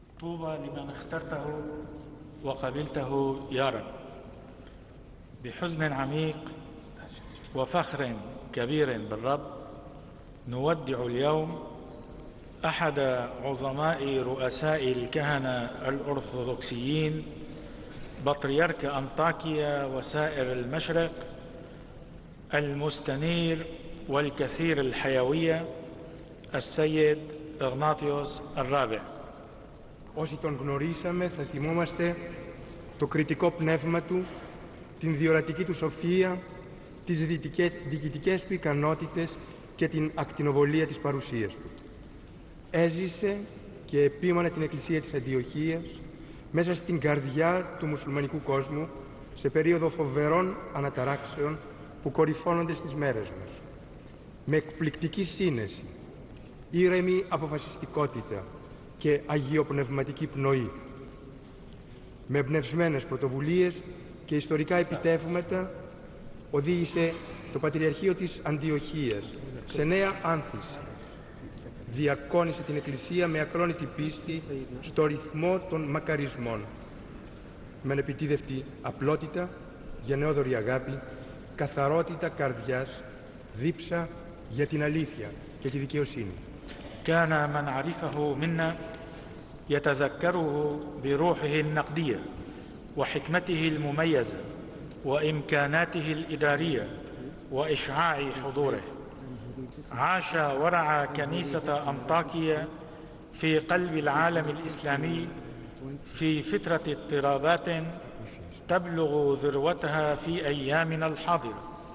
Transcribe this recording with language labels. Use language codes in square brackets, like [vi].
[ar] طوبى لمن اخترته وقبلته يا رب بحزن عميق وفخر كبير بالرب نودع اليوم احد عظماء رؤساء الكهنه الارثوذكسيين بطريرك انطاكيا وسائر المشرق المستنير والكثير الحيوية السيد إغناطيوس الرابع. [el] Όσοι τον γνωρίσαμε θα θυμόμαστε το κριτικό πνεύμα του, την διορατική του σοφία, τις διοικητικές του ικανότητες και την ακτινοβολία της παρουσίας του. Έζησε και επίμανε την Εκκλησία της Αντιοχίας μέσα στην καρδιά του μουσουλμανικού κόσμου σε περίοδο φοβερών αναταράξεων που κορυφώνονται στις μέρες μας. Με εκπληκτική σύνεση, ήρεμη αποφασιστικότητα και αγιοπνευματική πνοή, με εμπνευσμένες πρωτοβουλίες και ιστορικά επιτεύγματα, οδήγησε το Πατριαρχείο της Αντιοχίας σε νέα άνθηση. Διακόνησε την Εκκλησία με ακρόνητη πίστη στο ρυθμό των μακαρισμών, με ανεπιτίδευτη απλότητα, γενναιόδορη αγάπη, καθαρότητα καρδιάς, δίψα για την αλήθεια και τη δικαιοσύνη. [ar] كان من عرفه منا يتذكره بروحه النقديه وحكمته المميزه وامكاناته الاداريه واشعاع حضوره. عاش ورعى كنيسه انطاكيا في قلب العالم الاسلامي في فتره اضطرابات تبلغ ذروتها في ايامنا الحاضره.